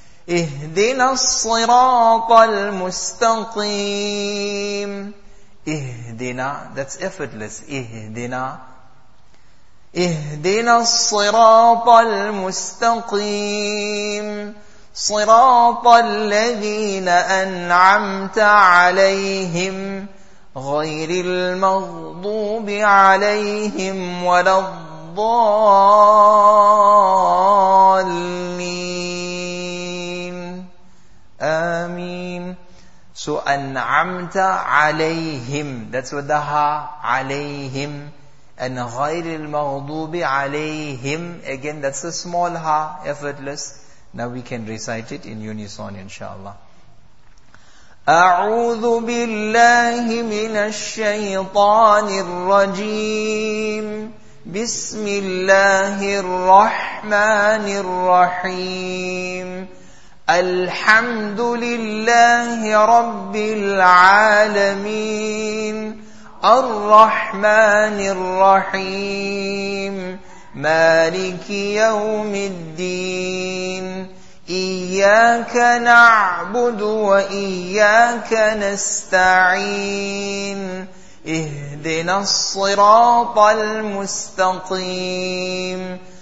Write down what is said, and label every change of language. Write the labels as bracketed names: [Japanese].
[Arabic] Ihdina الصراط المستقيم. [English] Ihdina, that's effortless. [Arabic] Ihdina. Ihdina الصراط المستقيم. صراط الذين أنعمت عليهم غير المغضوب عليهم ولا الضالين. آمين. [English] So [Arabic] أنعمت عليهم, [English] that's what the ha, عليهم, and [Arabic] غير المغضوب عليهم, [English] again that's a small ha, effortless. Now we can recite it in unison, inshallah. [Arabic] أعوذ بالله من الشيطان الرجيم بسم الله الرحمن الرحيم الحمد لله رب العالمين الرحمن الرحيم مالك يوم الدين إياك نعبد وإياك نستعين اهدنا الصراط المستقيم